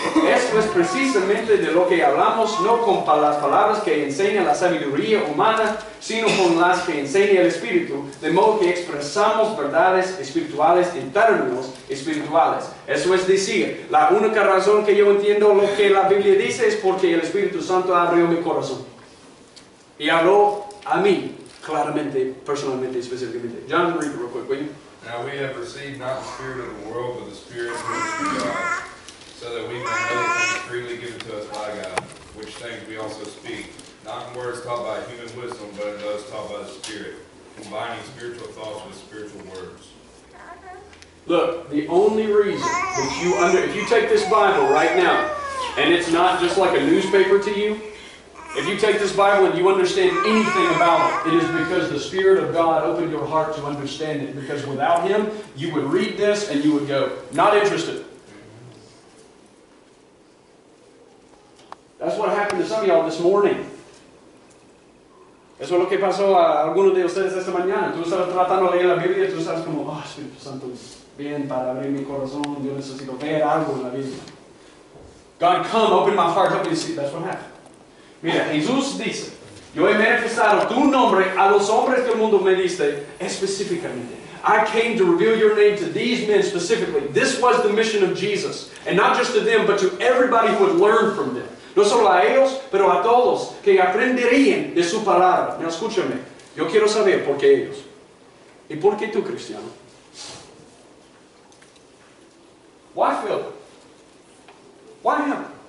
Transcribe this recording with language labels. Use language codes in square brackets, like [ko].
[es] Esto es precisamente de lo que hablamos, no con las palabras que enseña la sabiduría humana, sino con las que enseña el Espíritu, de modo que expresamos verdades espirituales en términos espirituales. Eso es decir, la única razón que yo entiendo lo que la Biblia dice es porque el Espíritu Santo abrió mi corazón y habló a mí. Claramente, personalmente, específicamente. [en] John, read it real quick, will you? Now we have received not the spirit of the world, but the spirit of God, so that we may know the things freely given to us by God, which things we also speak, not in words taught by human wisdom, but in those taught by the Spirit, combining spiritual thoughts with spiritual words. Look, the only reason that if you take this Bible right now, and it's not just like a newspaper to you, if you take this Bible and you understand anything about it, it is because the Spirit of God opened your heart to understand it. Because without Him, you would read this and you would go, not interested. That's what happened to some of y'all this morning. [es] Eso es lo que pasó a algunos de ustedes esta mañana. Tú estabas tratando de leer la Biblia, tú estabas como, oh, Espíritu Santo, bien para abrir mi corazón, yo necesito ver algo en la Biblia. [en] God, come, open my heart, help me to see. That's what happened. [es] Mira, Jesús dice, yo he manifestado tu nombre a los hombres del mundo me diste, específicamente. [en] I came to reveal your name to these men specifically. This was the mission of Jesus. And not just to them, but to everybody who would learn from them. [es] No solo a ellos, pero a todos que aprenderían de su palabra. Now, escúchame, yo quiero saber por qué ellos. ¿Y por qué tú, cristiano? [en] Why, Philip? Why him?